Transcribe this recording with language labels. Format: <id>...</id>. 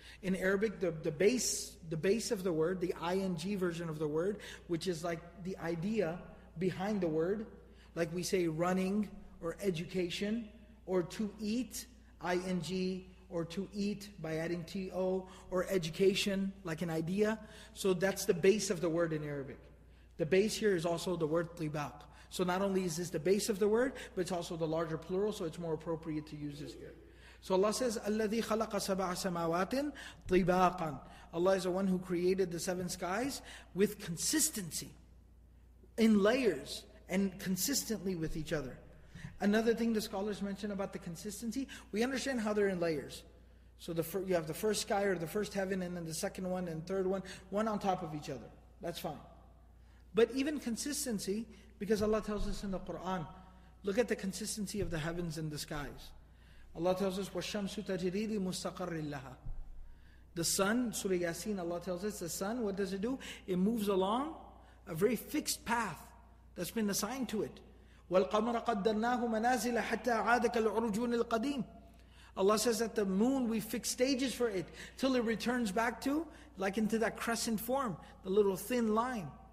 <en>In Arabic, the base of the word, the ing version of the word, which is like the idea behind the word, like we say running or education or to eat, ing, or to eat by adding to, or education, like an idea. So that's the base of the word in Arabic. The base here is also the word tibaq. So not only is this the base of the word, but it's also the larger plural, so it's more appropriate to use this here.</en> <ar>So Allah says, الَّذِي خَلَقَ سَبَعَ سَمَاوَاتٍ طِبَاقًا.</ar> <en>Allah is the one who created the seven skies with consistency, in layers, and consistently with each other. Another thing the scholars mention about the consistency, we understand how they're in layers. So you have the first sky or the first heaven, and then the second one and third one, one on top of each other. That's fine. But even consistency, because Allah tells us in the Qur'an, look at the consistency of the heavens and the skies.</en> <ar>Allah tells us, وَالشَّمْسُ تَجْرِي لِمُسْتَقَرِّ لَهَا.</ar> <en>The sun, Surah Yasin, Allah tells us, the sun, what does it do? It moves along a very fixed path that's been assigned to it.</en> <ar>وَالْقَمَرَ قَدَّرْنَاهُ مَنَازِلَ حَتَّى عَادَكَ الْعُرُجُونِ الْقَدِيمِ.</ar> <en>Allah says that the moon, we fix stages for it till it returns back to, like into that crescent form, the little thin line.</en>